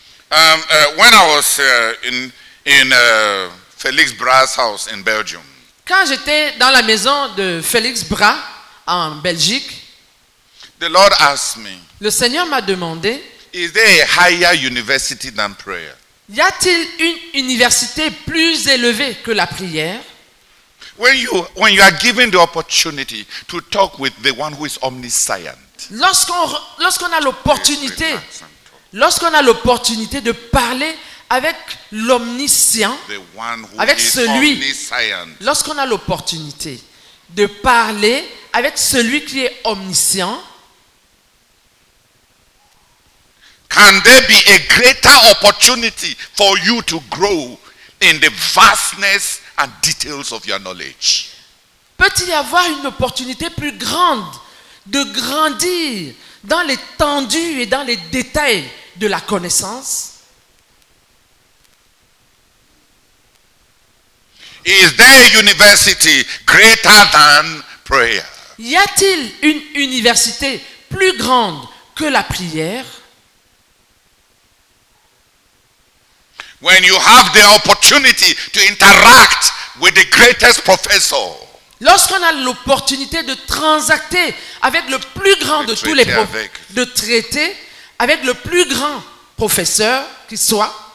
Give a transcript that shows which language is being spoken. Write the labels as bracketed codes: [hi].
[en] When I was in Félix Bras' house in Belgium. [fr] Quand j'étais dans la maison de Félix Bras en Belgique. [en] The Lord asked me. [fr] Le Seigneur m'a demandé. [en] Is there a higher university than prayer? [fr] Y a-t-il une université plus élevée que la prière? [en] When you are given the opportunity to talk with the one who is omniscient. [fr] Lorsqu'on a l'opportunité de parler avec l'omniscient, [en] the one who [fr] avec [en] is [fr] celui, [en] omniscient. [fr] Lorsqu'on a l'opportunité de parler avec celui qui est omniscient. [en] Can there be a greater opportunity for you to grow in the vastness and details of your knowledge? [fr] Peut-il y avoir une opportunité plus grande de grandir dans l'étendue et dans les détails de la connaissance? [en] Is there a university greater than prayer? [fr] Y a-t-il une université plus grande que la prière? [en] When you have the opportunity to interact with the greatest professor. [fr] Lorsqu'on a l'opportunité de transacter avec le plus grand de tous les professeurs, de traiter avec le plus grand professeur qui soit.